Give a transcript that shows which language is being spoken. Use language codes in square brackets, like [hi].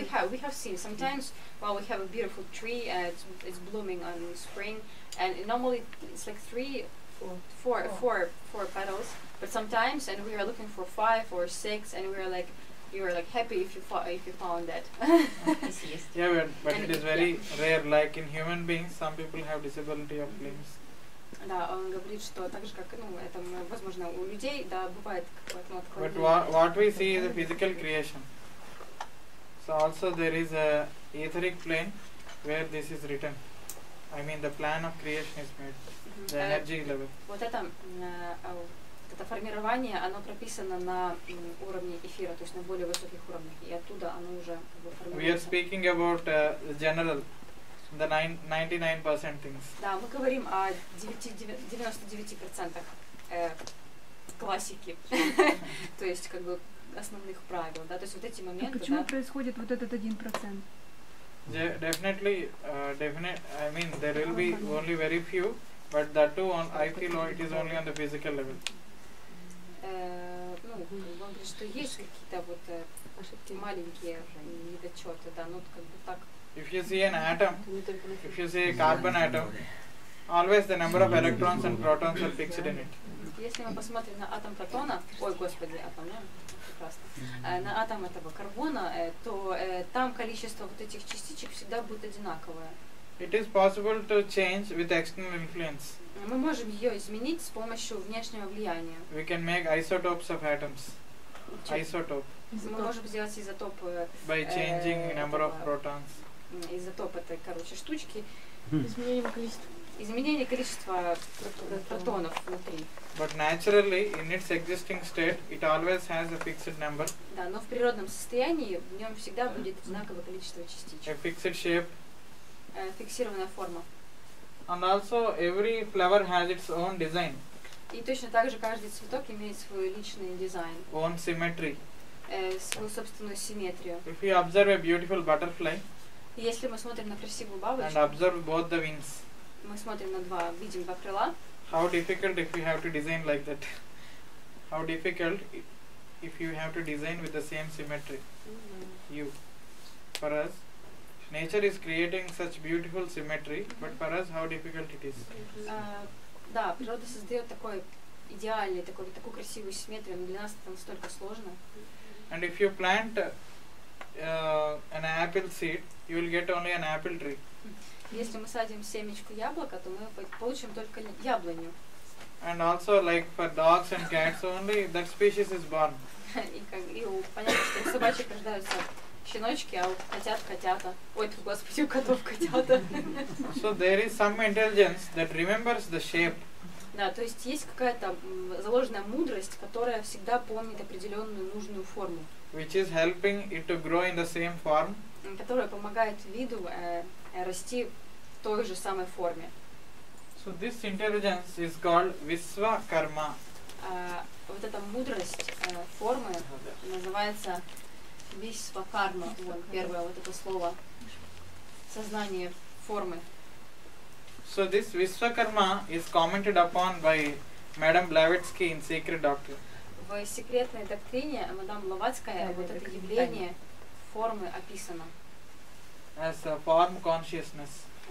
[en] We have seen sometimes while we have a beautiful tree it's blooming on spring and normally it's like four petals but sometimes and we are looking for five or six and we are like you were like happy if you found that. Yeah, but it is very rare. Like in human beings, some people have disability of limbs. [ru] Да, он говорит, что так же, как, ну, это, возможно, у людей, да, бывает какое-то, ну, отклонение. [en] But what we see is a physical creation. So also there is a etheric plane where this is written. I mean, the plan of creation is made. The energy level. [ru] Вот это, вот это формирование, оно прописано на уровне эфира, то есть на более высоких уровнях, и оттуда оно уже формируется. [en] We are speaking about general. The 99% things. [ru] Да, мы говорим о 99% классики, то есть как бы основных правил, да, то есть вот эти моменты. А почему происходит вот этот 1%? [en] Definitely, I mean, there will be only very few, but that too, on, I feel it is only on the physical level. [ru] Ну, он говорит, что есть какие-то вот ошибки, маленькие недочеты, да, ну как бы так. [en] If you see an atom, if you see a carbon atom, always the number of electrons and protons are fixed in it. [ru] Если мы посмотрим на атом протона, ой, господи, атом, да, прекрасно, на атом этого карбона, то там количество вот этих частичек всегда будет одинаковое. [en] It is possible to change with external influence. [ru] Мы можем ее изменить с помощью внешнего влияния. [en] We can make isotopes of atoms. Isotope. [ru] Мы можем сделать изотоп. [en] By changing number of protons. [ru] Изотоп это, короче, штучки. Изменение количества протонов внутри. [en] But naturally, in its existing state, it always has a fixed number. [ru] Да, но в природном состоянии в нем всегда будет одинаковое количество частичек. [en] A fixed shape. [ru] Фиксированная форма. [en] And also, every flower has its own design. [ru] И точно так же каждый цветок имеет свой личный дизайн. [en] Own symmetry. [ru] Свою собственную симметрию. [en] If you observe a beautiful butterfly. [ru] Если мы смотрим на красивую бабочку, [en] and observe both the wings. [ru] Мы смотрим на два, видим два крыла. [en] How difficult if you have to design like that? How difficult if you have to design with the same symmetry? Mm-hmm. You. For us, nature is creating such beautiful symmetry, mm-hmm. but for us, how difficult it is? [ru] Да, природа создает такой идеальный, такой, такую красивую симметрию, но для нас это настолько сложно. [en] And if you plant an apple seed, you will get only an apple tree. [ru] Если мы садим семечку яблока, то мы получим только яблоню. [en] And also, like for dogs and cats only, that species is born. [ru] И как и у понятно, что у собачек рождаются щеночки, а у котят котята. Ой, ты, господи, у котов котята. [en] So there is some intelligence that remembers the shape. [ru] Да, то есть есть какая-то заложенная мудрость, которая всегда помнит определенную нужную форму. [en] Which is helping it to grow in the same form. [ru] Которая помогает виду расти в той же самой форме. [en] So this intelligence is called Vishvakarma. [ru] Вот эта мудрость формы называется Vishvakarma. Вот первое вот это слово. Сознание формы. [en] So this Vishvakarma is commented upon by Madame Blavatsky in Secret Doctrine. [ru] В секретной доктрине мадам Блаватская вот это явление формы описано. [en] As a form consciousness.